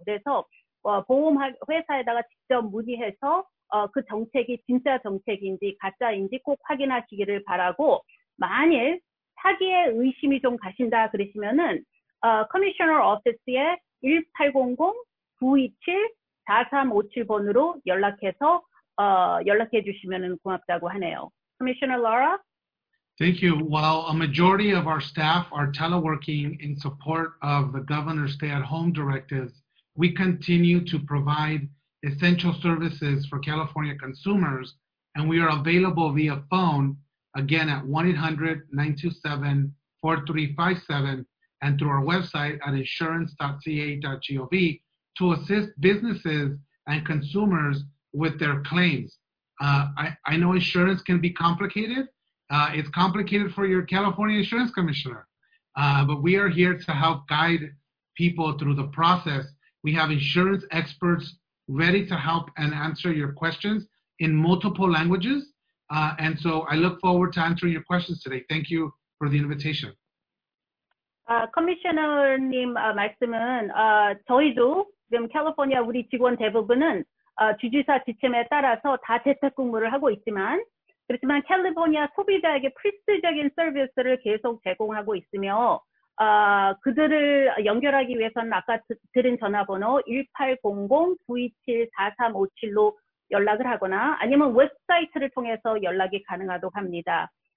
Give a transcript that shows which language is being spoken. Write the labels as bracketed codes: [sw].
[ko] 그래서 보험 회사에다가 직접 문의해서 그 정책이 진짜 정책인지 가짜인지 꼭 확인하시기를 바라고 만일 사기에 의심이 좀 가신다 그러시면은 커미셔널 오피스에 1800-927-4357번으로 연락해서 연락해 주시면은 고맙다고 하네요. [en] Commissioner Laura. Thank you. While a majority of our staff are teleworking in support of the governor's stay-at-home directives, we continue to provide essential services for California consumers, and we are available via phone, again at 1-800-927-4357, and through our website at insurance.ca.gov to assist businesses and consumers with their claims. I know insurance can be complicated. It's complicated for your California insurance commissioner, but we are here to help guide people through the process. We have insurance experts ready to help and answer your questions in multiple languages. And so I look forward to answering your questions today. Thank you for the invitation. [ko] Commissioner님 말씀은 저희도 지금 California 우리 직원 대부분은 주지사 지침에 따라서 다 재택근무를 하고 있지만 그렇지만 캘리포니아 소비자에게 필수적인 서비스를 계속 제공하고 있으며 그들을 연결하기 위해서는 아까 드린 전화번호 1800-927-4357로 연락을 하거나 아니면 웹사이트를 통해서 연락이 가능하도록 합니다.